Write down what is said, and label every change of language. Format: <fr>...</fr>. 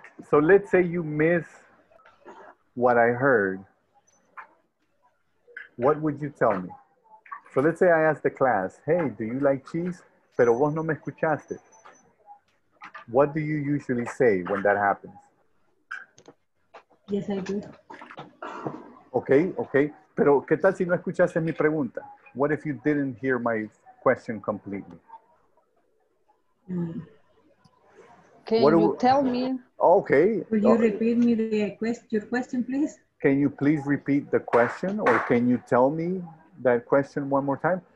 <en>So let's say you miss what I heard. What would you tell me? So let's say I asked the class, hey, do you like cheese?</en> <es>Pero vos no me escuchaste.</es> <en>What do you usually say when that happens? Yes, I do. Okay, okay.</en> <es>Pero ¿qué tal si no escuchaste mi pregunta?</es> <en>What if you didn't hear my question completely? Can you tell me? Okay. Will you repeat me your question, please? Can you please repeat the question, or can you tell me that question one more time?</en>